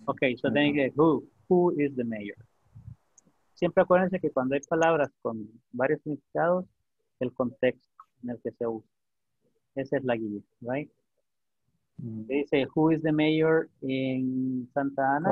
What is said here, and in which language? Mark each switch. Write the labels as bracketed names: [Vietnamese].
[English] Okay, so then you get who is the mayor? [Spanish] Siempre acuérdense que cuando hay palabras con varios significados, el contexto en el que se usa. Esa es la guía, right? Mm-hmm. [English] They say, who is the mayor in Santa Ana?